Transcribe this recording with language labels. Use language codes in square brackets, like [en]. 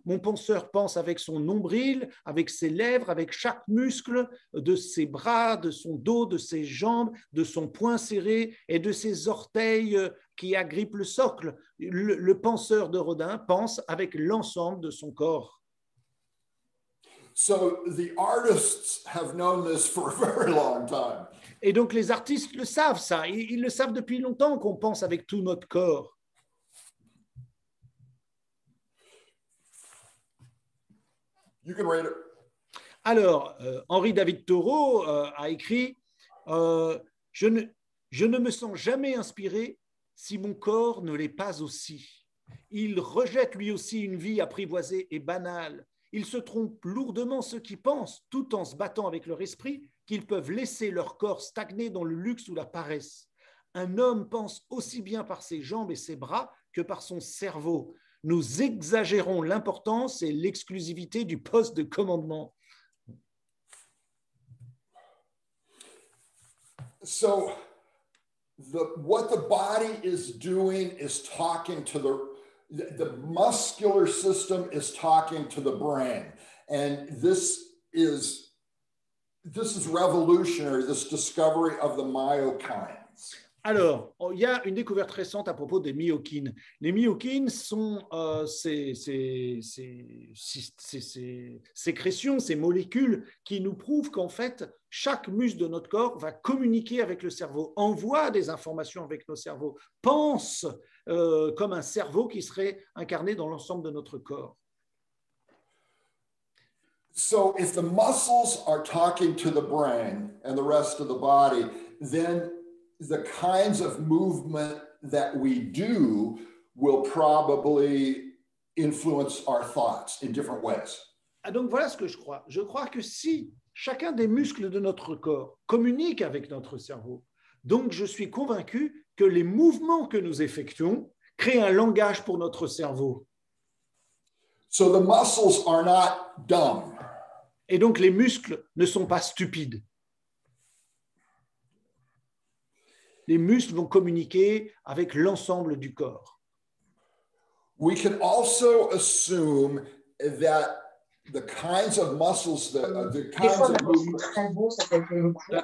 [fr] Mon penseur pense avec son nombril, avec ses lèvres, avec chaque muscle de ses bras, de son dos, de ses jambes, de son poing serré et de ses orteils qui agrippent le socle. Le penseur de Rodin pense avec l'ensemble de son corps. » [en] So the artists have known this for a very long time. [fr] Et donc les artistes le savent ça, ils le savent depuis longtemps qu'on pense avec tout notre corps. [en] You can read it. [fr] Alors, Henri David Thoreau a écrit je ne me sens jamais inspiré si mon corps ne l'est pas aussi. Il rejette lui aussi une vie apprivoisée et banale. Ils se trompent lourdement ceux qui pensent, tout en se battant avec leur esprit, qu'ils peuvent laisser leur corps stagner dans le luxe ou la paresse. Un homme pense aussi bien par ses jambes et ses bras que par son cerveau. Nous exagérons l'importance et l'exclusivité du poste de commandement. [en] So, what the body is doing is talking to the... The muscular system is talking to the brain, and this is revolutionary, this discovery of the myokines. [fr] Alors, il y a une découverte récente à propos des myokines. Les myokines sont ces sécrétions, ces molécules qui nous prouvent qu'en fait, chaque muscle de notre corps va communiquer avec le cerveau, envoie des informations avec nos cerveaux, pense comme un cerveau qui serait incarné dans l'ensemble de notre corps. [en] So if the muscles are talking to the brain and the rest of the body, then the kinds of movement that we do will probably influence our thoughts in different ways. [fr] Ah, donc voilà ce que je crois. Je crois que si chacun des muscles de notre corps communique avec notre cerveau, donc je suis convaincu que les mouvements que nous effectuons créent un langage pour notre cerveau. [en] So the muscles are not dumb. [fr] Et donc les muscles ne sont pas stupides. Les muscles vont communiquer avec l'ensemble du corps. [en] We can also assume that the kinds of muscles, the kinds of movements.